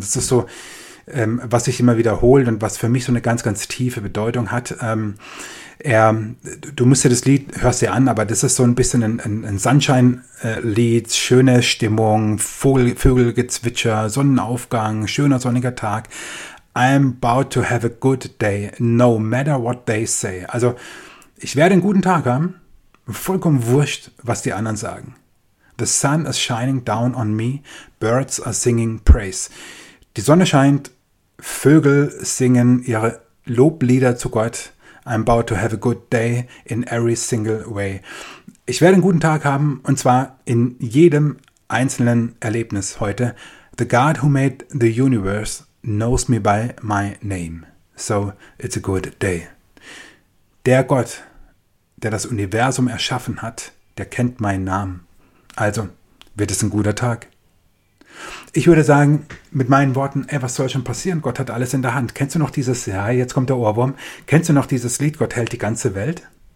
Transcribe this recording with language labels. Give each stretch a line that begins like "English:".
German: Das ist so, was sich immer wiederholt und was für mich so eine ganz, ganz tiefe Bedeutung hat. Du musst dir das Lied, hörst dir an, aber das ist so ein bisschen ein Sunshine-Lied, schöne Stimmung, Vögelgezwitscher, Sonnenaufgang, schöner sonniger Tag.
English: I'm about to have a good day, no matter what they say.
German: Also, ich werde einen guten Tag haben, vollkommen wurscht, was die anderen sagen.
English: The sun is shining down on me, birds are singing praise.
German: Die Sonne scheint, Vögel singen ihre Loblieder zu Gott.
English: I'm about to have a good day in every single way.
German: Ich werde einen guten Tag haben, und zwar in jedem einzelnen Erlebnis heute.
English: The God who made the universe knows me by my name. So it's a good day.
German: Der Gott, der das Universum erschaffen hat, der kennt meinen Namen. Also wird es ein guter Tag. Ich würde sagen, mit meinen Worten, ey, was soll schon passieren? Gott hat alles in der Hand. Kennst du noch dieses, ja, jetzt kommt der Ohrwurm. Kennst du noch dieses Lied, Gott hält die ganze Welt?